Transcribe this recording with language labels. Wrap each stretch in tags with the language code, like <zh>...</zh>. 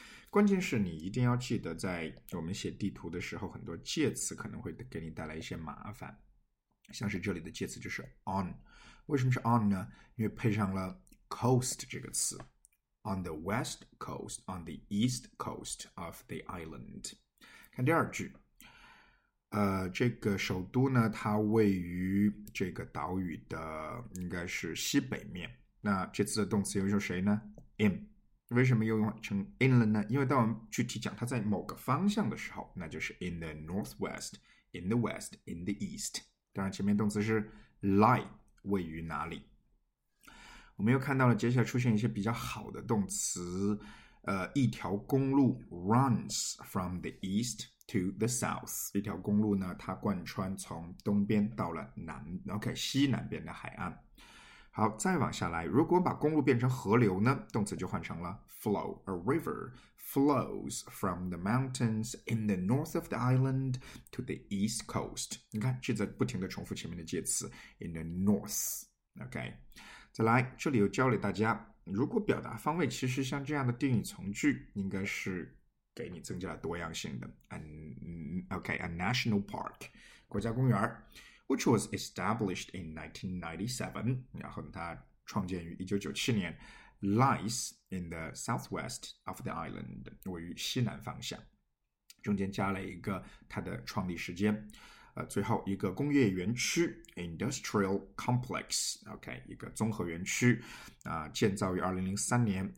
<zh>关键是你一定要记得，在我们写地图的时候，很多介词可能会给你带来一些麻烦，像是这里的介词就是 on。为什么是 on 呢？因为配上了 coast 这个词，</zh> <en>on the west coast, on the east coast of the island。</en> <zh>看第二句，这个首都呢，它位于这个岛屿的应该是西北面，那这次的动词又是谁呢？</zh> <en>in。</en> <zh>为什么又用成 inland 呢？因为当我们具体讲它在某个方向的时候，那就是</zh> <en>in the northwest, in the west, in the east。</en> <zh>当然前面动词是 lie, 位于哪里。我们又看到了接下来出现一些比较好的动词，一条公路</zh> <en>runs from the east to the south。</en> <zh>一条公路呢，它贯穿从东边到了南 OK, 西南边的海岸。好，再往下来，如果把公路变成河流呢，动词就换成了 flow。</zh> <en>A river flows from the mountains in the north of the island to the east coast。</en> <zh>你看，这在不停地重复前面的介词</zh> <en>in the north。</en> <zh>OK, 再来，这里又教给大家，如果表达方位，其实像这样的定语从句应该是给你增加了多样性的。 OK,</zh> <en>a national park,</en> <zh>国家公园，</zh> <en>which was established in 1997,</en> <zh>然后它创建于1997年</zh> <en>lies in the southwest of the island,</en> <zh>位于西南方向，中间加了一个它的创立时间，最后一个工业园区 industrial complex, OK, 一个综合园区，建造于2003年。</zh>